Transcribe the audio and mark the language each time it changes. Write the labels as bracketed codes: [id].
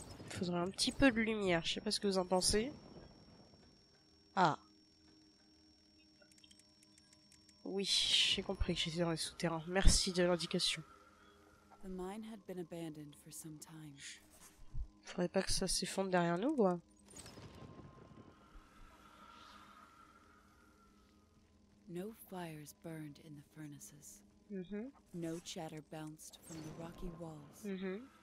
[fr] Faudrait un petit peu de lumière, je sais pas ce que vous en pensez. Ah. Oui, j'ai compris que j'étais dans les souterrains. Merci de l'indication. [en] The mine had been abandoned for some time. [fr] Faudrait pas que ça s'effondre derrière nous, quoi. [en] No fires burned in the furnaces. No chatter bounced from the rocky walls.